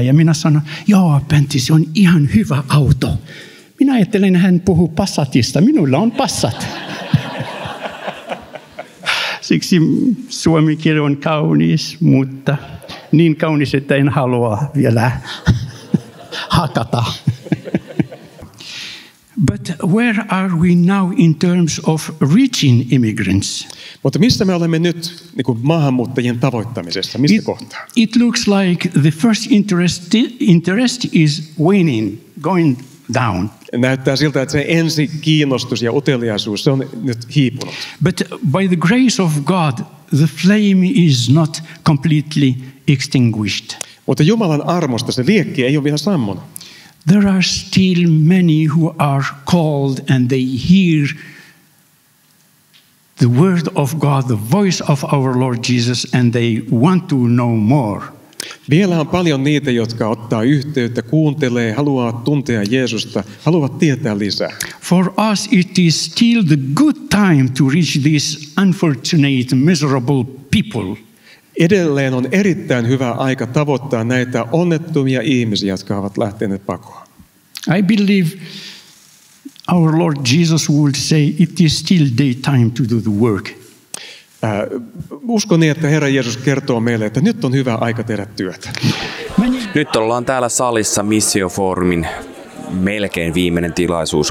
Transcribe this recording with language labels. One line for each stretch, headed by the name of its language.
Finnish: Ja minä sanoin, joo Pentti, se on ihan hyvä auto. Minä ajattelin, hän puhuu Passatista, minulla on Passat. Siksi suomen kieli on kaunis, mutta niin kaunis, että en halua vielä hakata.
English: But where are we now in terms of reaching immigrants?
Finnish: Mutta missä me olemme nyt niinku maahanmuuttajien tavoittamisessa? Mistä kohtaa?
English: It looks like the first interest is waning, going down.
Finnish: Näyttää siltä, että se ensi kiinnostus ja uteliaisuus se on nyt hiipunut.
English: But by the grace of God, the flame is not completely extinguished.
Finnish: Mutta Jumalan armosta se liekki ei ole vielä sammunut.
English: There are still many who are called and they hear the word of God, the voice of our Lord Jesus, and they want to know more.
Finnish: Vielä on paljon niitä, jotka ottaa yhteyttä, kuuntelee, haluaa tuntea Jeesusta, haluaa tietää lisää.
English: For us it is still the good time to reach these unfortunate, miserable people.
Finnish: Edelleen on erittäin hyvä aika tavoittaa näitä onnettomia ihmisiä, jotka ovat lähteneet pakoon.
English: I believe our Lord Jesus would say it is still daytime to do the work.
Finnish: Uskon niin, että Herra Jeesus kertoo meille, että nyt on hyvä aika tehdä työtä. Nyt ollaan täällä salissa missiofoorumin melkein viimeinen tilaisuus.